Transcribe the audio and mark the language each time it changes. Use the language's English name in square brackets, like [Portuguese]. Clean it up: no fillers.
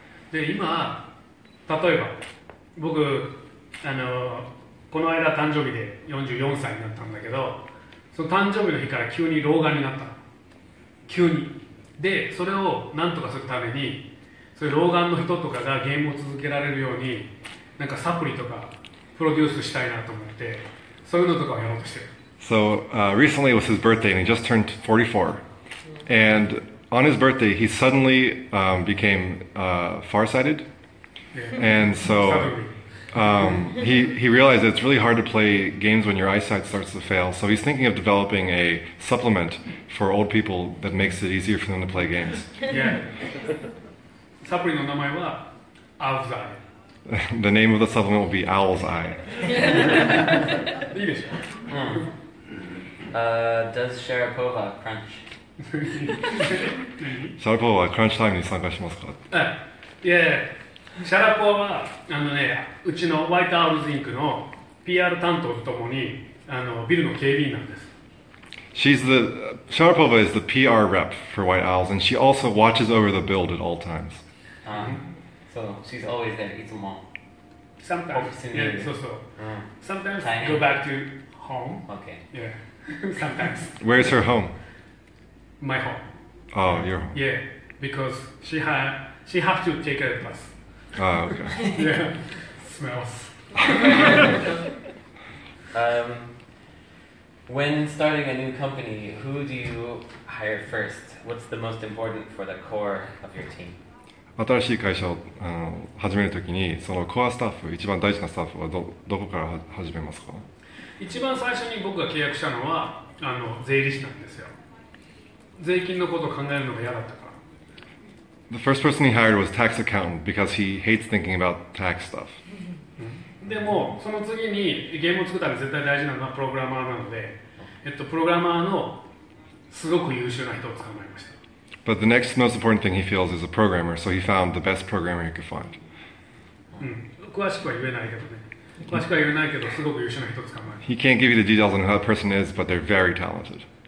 [Japanese] で今例えば僕あのこの間誕生日で44歳になったんだけど、その誕生日の日から急に老眼になった。急に。で、それをなんとかするために、そういう老眼の人とかがゲームを続けられるように、なんかサプリとかプロデュースしたいなと思って、そういうのとかをやろうとしてる。 [English] So, recently it was his birthday, and he just turned 44. And on his birthday, he suddenly became farsighted. And so, he realized that it's really hard to play games when your eyesight starts to fail. So he's thinking of developing a supplement for old people that makes it easier for them to play games. [Japanese] Yeah. Supplement の名前は Owl's Eye. [English] The name of the supplement will be Owl's Eye. [Japanese] いいでしょ。 [English] Does Sharapova crunch? [Japanese] Sharapova crunch time に参加しますか？ [English] Yeah. [Japanese] シャラポワはあの、ね、うちのホワイトアウルズインクの PR 担当とともにあのビルの警備員なんです。 [English] She's the, Sharapova is the PR rep for White Owls, and she also watches over the build at all times. So she's always there, [Japanese] いつも [English] Sometimes, yeah, so so、 mm. Sometimes、Tiny. go back to home. Okay. Yeah, sometimes. Where's her home? My home. Oh, your home. Yeah, because she has to take care of us. Oh, okay. Yeah, smells. When starting a new company, who do you hire first? What's the most important for the core of your team? [Japanese] 新しい会社をあの始めるときに、そのコアスタッフ、一番大事なスタッフはどこから始めますか？一番最初に僕が契約したのはあの税理士なんですよ。税金のことを考えるのが嫌だったから。 [English] The first person he hired was tax accountant because he hates thinking about tax stuff. [Japanese] でもその次にゲームを作ったら絶対大事なのはプログラマーなので、プログラマーのすごく優秀な人を捕まえました。 [English] But the next most important thing he feels is a programmer, so he found the best programmer he could find. [Japanese] うん、詳しくは言えないけどね。詳しくは言えないけど、すごく優秀な人を捕まえました。 [English] He can't give you the details on who that person is, but they're very talented.